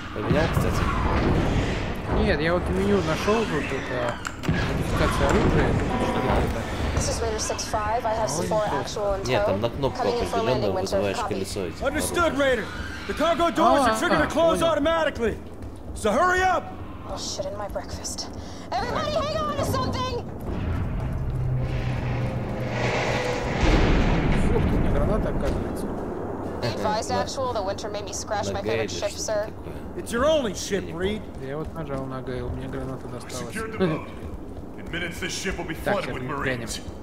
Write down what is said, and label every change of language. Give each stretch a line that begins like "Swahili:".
Russian: Нет, я вот меню нашел тут это модификация оружия. Нет, там на кнопку определенно вызываешь колесо этих.
English: Understood, Raider. The cargo doors are triggered to close automatically. So hurry up. Oh shit, in my breakfast. Everybody, hang on to something.
Russian: Граната, оказывается.
English: Be advised, Actual, the winter made me scratch my favorite ship, sir. It's your only ship, Reed.
Russian: Я вот нажал на Гейл, мне граната досталась.
English: In minutes, this ship will be flooded with Marines.